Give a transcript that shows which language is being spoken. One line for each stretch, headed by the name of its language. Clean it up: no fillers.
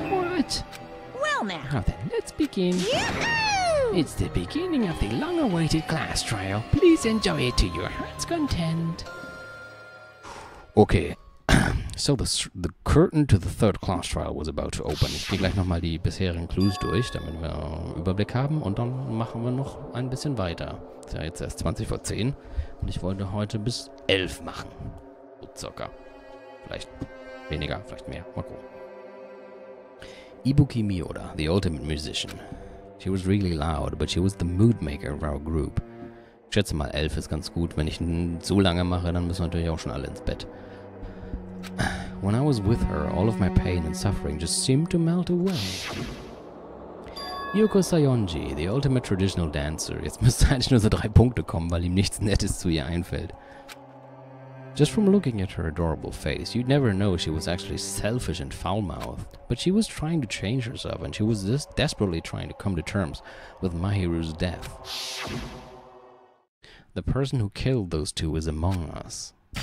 English: What? Well, now... Now then, let's begin. Yoo-hoo! It's the beginning of the long-awaited class trial. Please enjoy it to your heart's content. Okay. So, the curtain to the third class trial was about to open.
German: Ich gehe gleich nochmal die bisherigen Clues durch, damit wir Überblick haben. Und dann machen wir noch ein bisschen weiter. Es ist ja jetzt erst 20 vor 10 und ich wollte heute bis 11 machen. So circa. Vielleicht weniger, vielleicht mehr. Mal gucken.
English: Ibuki Miura, the ultimate musician. She was really loud, but she was the mood maker of our group.
German: Ich schätze mal, 11 ist ganz gut. Wenn ich so lange mache, dann müssen wir natürlich auch schon alle ins Bett.
English: When I was with her, all of my pain and suffering just seemed to melt away. Yuko Sayonji, the ultimate traditional dancer.
German: Jetzt müsste eigentlich nur so 3 Punkte kommen, weil ihm nichts Nettes zu ihr einfällt.
English: Just from looking at her adorable face, you'd never know she was actually selfish and foul-mouthed. But she was trying to change herself, and she was just desperately trying to come to terms with Mahiru's death. The person who killed those two is among us.